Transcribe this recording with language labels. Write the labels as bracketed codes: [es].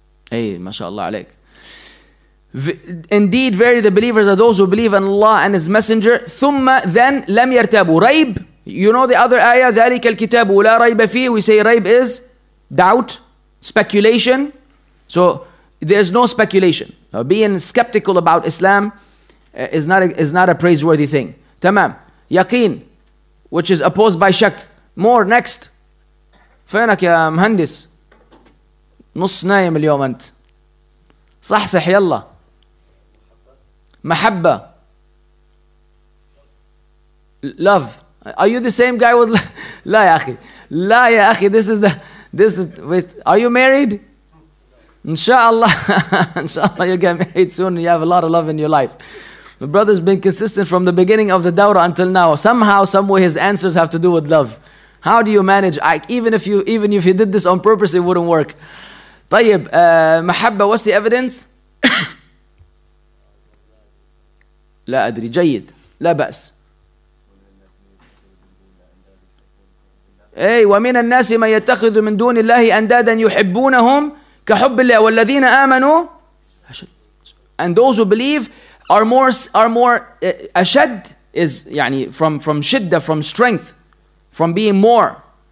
[en] Hey, mashallah alaik. Indeed, verily, the believers are those who believe in Allah and His Messenger. [ar] ثم then لم يرتابوا ريب. [en] You know the other ayah, [ar] ذلك الكتاب ولا ريب فيه. [en] We say ريب is doubt, speculation. So there's no speculation. Being skeptical about Islam is not a praiseworthy thing. تمام. يقين, which is opposed by شك. More next. [ar] فينك يا مهندس؟ نص نايم اليوم أنت. صح صح يلا. محبة. [en] Love. Are you the same guy with [ar] لا يا أخي. لا يا أخي. [en] This is with. Are you married? [ar] إن شاء الله. إن شاء الله [en] you get married soon. You have a lot of love in your life. My brother's been consistent from the beginning of the dawra until now. Somehow, some way, his answers have to do with love. How do you manage? Even if you did this on purpose, it wouldn't work. طيب, محبة, what's the evidence? [ar] لا أدري, جيد, لا بأس. أي, ومن الناس من يتخذ من دون الله أندادا يحبونهم كحب الله والذين آمنوا. [en] And those who believe are more أشد is يعني from شدة, from strength, from being more.